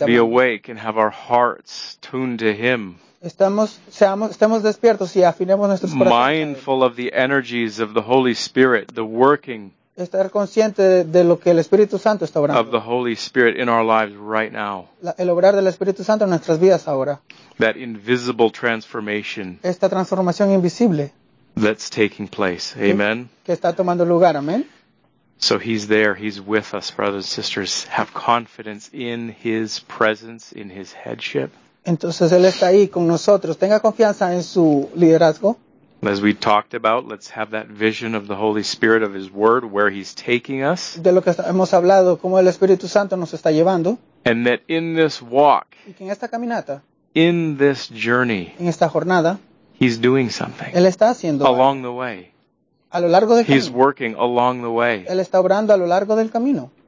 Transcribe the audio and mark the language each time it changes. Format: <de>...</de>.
<en>Let's be awake and have our hearts tuned to him.</en> <es>Estemos despiertos y afinemos nuestros corazones.</es> <en>Mindful of the energies of the Holy Spirit, the working.</en> <es>Estar consciente de lo que el Espíritu Santo está obrando.</es> <en>Of the Holy Spirit in our lives right now.</en> <es>El obrar del Espíritu Santo en nuestras vidas ahora.</es> <en>That invisible transformation.</en> <es>Esta transformación invisible.</es> <en>That's taking place. Amen.</en> <es>Que está tomando lugar. Amen.</es> <en>So he's there. He's with us, brothers and sisters. Have confidence in his presence, in his headship.</en> <es>Entonces él está ahí con nosotros. Tenga confianza en su liderazgo.</es> <en>As we talked about, let's have that vision of the Holy Spirit, of his word, where he's taking us.</en> <es>De lo que hemos hablado, cómo el Espíritu Santo nos está llevando.</es> <en>And that in this walk,</en> <es>y que en esta caminata,</es> <en>in this journey,</en> <es>en esta jornada,</es> <en>he's doing something</en> <es>él está haciendo</es> <en>along the way.</en> <es>a lo largo del camino.</es> <en>He's working along the way.</en> <es>Él está obrando a lo largo del camino.</es>